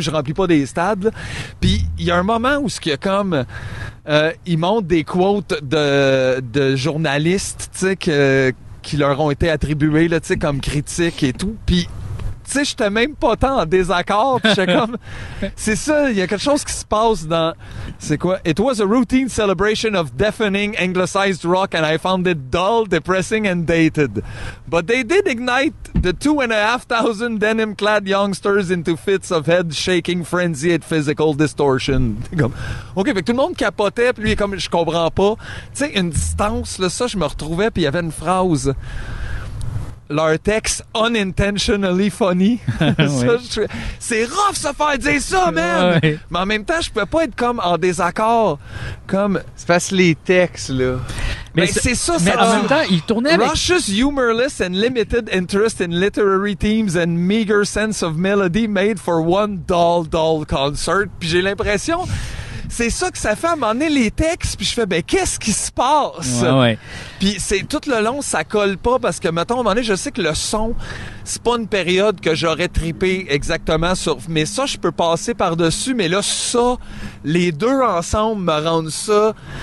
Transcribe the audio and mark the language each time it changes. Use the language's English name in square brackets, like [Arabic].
[French] Je remplis pas des stades. Là. Puis, il y a un moment où ce qu'il y a comme... ils montrent des quotes de journalistes, tu sais, qui leur ont été attribués, tu sais, comme critiques et tout. Puis, sais, j'étais même pas tant en désaccord. Puis j'étais comme, c'est ça, il y a quelque chose qui se passe dans... C'est quoi? [English] It was a routine celebration of deafening anglicized rock and I found it dull, depressing and dated. But they did ignite the 2,500 denim-clad youngsters into fits of head-shaking frenzy at physical distortion. [French] Comme, OK, fait que tout le monde capotait, puis lui, comme, je comprends pas. Tu sais, une distance, là, ça, je me retrouvais, puis il y avait une phrase... Leur texte [English] unintentionally funny. [French] Ça, oui. C'est rough se faire dire ça, man! Oui. Mais en même temps, je pouvais pas être comme en désaccord. Comme. C'est parce que les textes, là. Mais ben, c'est ça, mais ça. Mais en même temps, il tournait avec. [English] Luscious, humorless and limited interest in literary themes and meager sense of melody made for one dull, dull concert. [French] Puis j'ai l'impression. C'est ça que ça fait à m'emmener les textes, puis je fais, ben, qu'est-ce qui se passe? Ouais, ouais. Puis c'est tout le long, ça colle pas, parce que, mettons, à un moment donné, je sais que le son, c'est pas une période que j'aurais trippé exactement sur. Mais ça, je peux passer par-dessus, mais là, ça, les deux ensemble me rendent ça.